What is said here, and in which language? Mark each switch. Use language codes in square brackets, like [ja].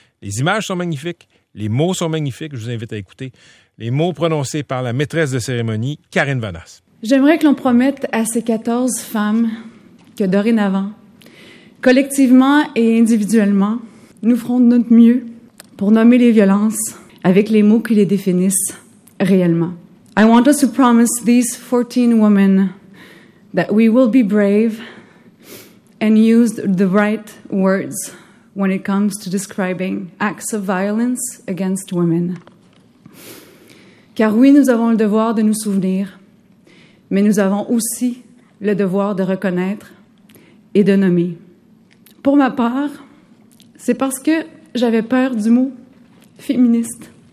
[fr] Les images sont magnifiques. Les mots sont magnifiques. Je vous invite à écouter les mots prononcés par la maîtresse de cérémonie, Karine Vanasse. J'aimerais que l'on promette à ces 14 femmes que dorénavant, collectivement et individuellement, nous ferons de notre mieux pour nommer les violences avec les mots qui les définissent réellement. [en] I want us to promise these 14 women that we will be brave and use the right words when it comes to describing acts of violence against women. [fr] Car oui, nous avons le devoir de nous souvenir, mais nous avons aussi le devoir de reconnaître et de nommer. Pour ma part, c'est parce que j'avais peur du mot féministe